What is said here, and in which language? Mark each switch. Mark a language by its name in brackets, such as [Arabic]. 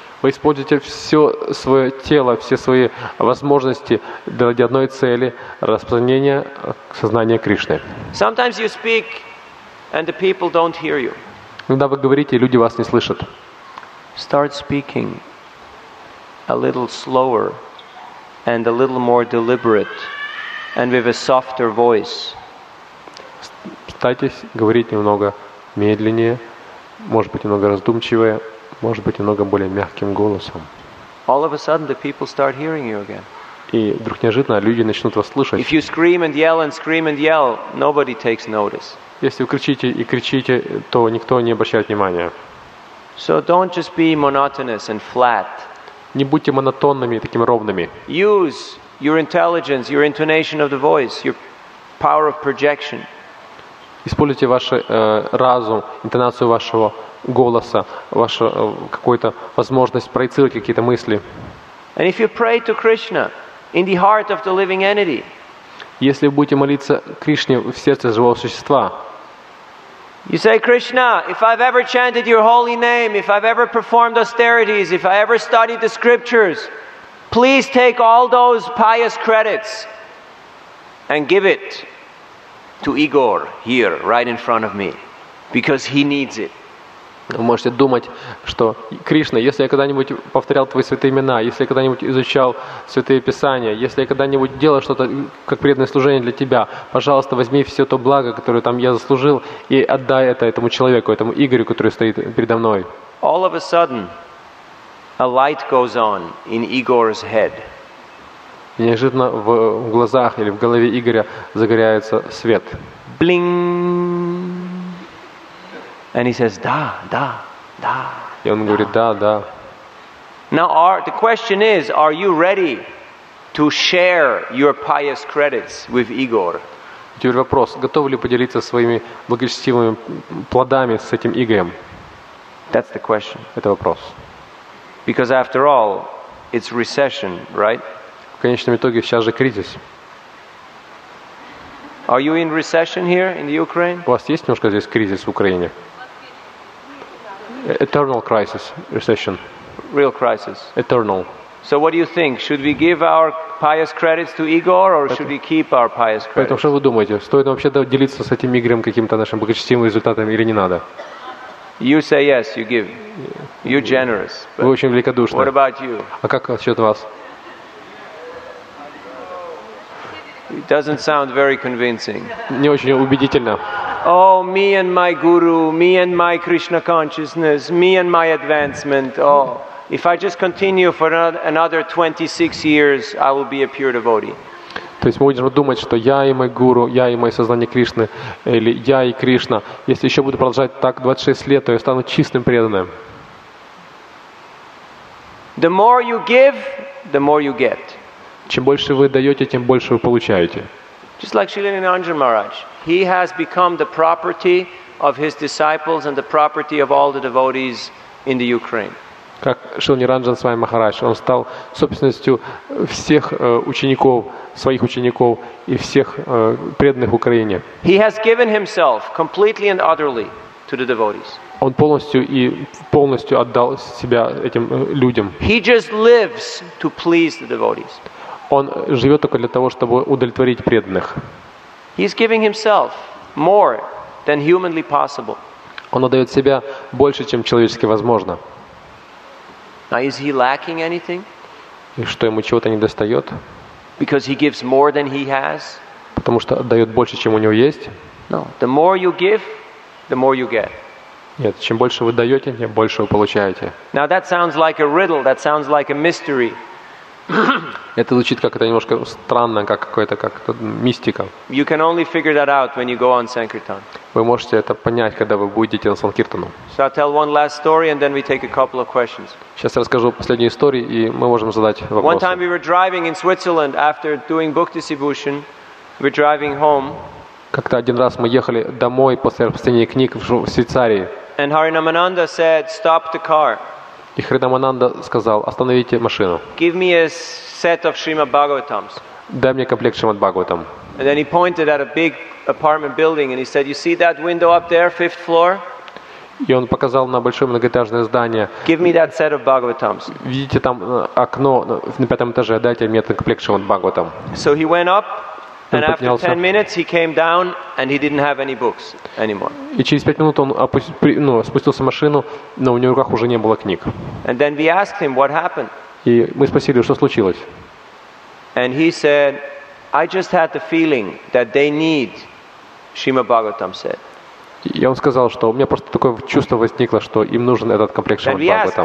[Russian] Вы используете все свое тело, все свои возможности для одной цели — распространения сознания Кришны. [English] Sometimes you speak, and the people don't hear you. [Russian] Когда вы говорите, люди вас не слышат. [English] Start speaking a little slower and a little more deliberate, and with a softer voice. [Russian] Старайтесь говорить немного медленнее. Может быть, немного раздумчивее, может быть, немного более мягким голосом. [English] All of a sudden the people start hearing you again. [Russian] И вдруг неожиданно люди начнут вас слышать. [English] If you scream and yell and scream and yell, nobody takes notice. [Russian] Если вы кричите и кричите, то никто не обращает внимания. [English] So don't just be monotonous and flat. [Russian] Не будьте монотонными и такими ровными. [English] Use your intelligence, your intonation of the voice, your power of projection. [Russian] Используйте ваш разум, интонацию вашего голоса, вашу какую-то возможность проецировать какие-то мысли. [English] And if you pray to Krishna in the heart of the living entity, [Russian] если вы будете молиться Кришне в сердце живого существа, [English] you say, Krishna, if I've ever chanted your holy name, if I've ever performed austerities, if I ever studied the scriptures, please take all those pious credits and give it to Igor here, right in front of me, because he needs it. [Russian] Вы можете думать, что Кришна, если я когда-нибудь повторял твои святые имена, если я когда-нибудь изучал святые писания, если я когда-нибудь делал что-то как преданное служение для тебя, пожалуйста, возьми все то благо, которое там я заслужил, и отдай это этому человеку, этому Игорю, который стоит передо мной. [English] All of a sudden, a light goes on in Igor's head. [Russian] Неожиданно в глазах или в голове Игоря загорается свет. [English] Bling. And he says, [Russian] "Да, да, да." И он говорит: "Да, да." [English] Now, the question is, are you ready to share your pious credits with Igor? [Russian] Теперь вопрос: готов ли поделиться своими благочестивыми плодами с этим Игорем? [English] That's the question. [Russian] Это вопрос. [English] Because after all, it's recession, right? [Russian] В конечном итоге сейчас же кризис. [English] Are you in recession here in the Ukraine? [Russian] У вас есть немножко здесь кризис в Украине? [English] Eternal crisis, recession. Real crisis. Eternal. So what do you think? Should we give our pious credits to Igor, or should we keep our pious credits? [Russian] Поэтому что вы думаете? Стоит нам вообще делиться с этим Игорем каким-то нашим благочестивым результатом или не надо? [English] You say yes, you give. You're generous. [Russian] Вы очень великодушны. [English] What about you? [Russian] А как насчет вас? [English] It doesn't sound very convincing. [Russian] Не очень убедительно. [English] Oh, me and my guru, me and my Krishna consciousness, me and my advancement. Oh, if I just continue for another 26 years, I will be a pure devotee. [Russian] То есть мы будем думать, что я и мой гуру, я и мое сознание Кришны, или я и Кришна, если еще буду продолжать так 26 лет, то я стану чистым преданным. [English] The more you give, the more you get. [Russian] Чем больше вы даете, тем больше вы получаете. [English] Just like Srila Ninanjana Maharaj. He has become the property of his disciples and the property of all the devotees in the Ukraine. [Russian] Как Шрила Ниранджана Свами Махарадж, он стал собственностью всех учеников, своих учеников и всех преданных Украине. [English] He has given himself completely and utterly to the devotees. [Russian] Он полностью и полностью отдал себя этим людям. [English] He just lives to please the devotees. [Russian] Он живет только для того, чтобы удовлетворить преданных. [English] He's giving himself more than humanly possible. [Russian] Он отдает себя больше, чем человечески возможно. [English] Now, is he lacking anything? [Russian] И что, ему чего-то не достает? [English] Because he gives more than he has? [Russian] Потому что отдает больше, чем у него есть? [English] No. The more you give, the more you get. [Russian] Нет, чем больше вы даете, тем больше вы получаете. [English] Now that sounds like a riddle, that sounds like a mystery. [Russian] Это звучит как-то немножко странно, как какое-то как-то мистика. [English] You can only figure that out when you go on sankirtan. [Russian] Вы можете это понять, когда вы будете на санкиртану. [English] So I'll tell one last story and then we take a couple of questions. [Russian] Сейчас я расскажу последнюю историю и мы можем задать вопросы. [English] One time we were driving in Switzerland after doing book distribution. We're driving home. [Russian] Как-то один раз мы ехали домой после распространения книг в Швейцарии. [English] And Harinamananda said, "Stop the car." [Russian] И Харинамананда сказал: "Остановите машину." [English] Give me a set of Srimad Bhagavatams. [Russian] Дай мне комплект Шримад Бхагаватам. [English] And then he pointed at a big apartment building and he said, "You see that window up there, fifth floor?" [Russian] И он показал на большое многоэтажное здание. [English] Give me that set of Bhagavatams. [Russian] Видите там окно на пятом этаже? Дайте мне этот комплект Шримад Бхагаватам. [English] So he went up. And after 10 minutes, he came down, and he didn't have any books anymore. [Russian] И через 5 минут он спустился в машину, но у него в руках уже не было книг. [English] And then we asked him what happened. [Russian] И мы спросили, что случилось. [English] And he said, "I just had the feeling that they need Srimad Bhagavatam set." [Russian] И он сказал, что у меня просто такое чувство возникло, что им нужен этот комплект Шримад Бхагаватам.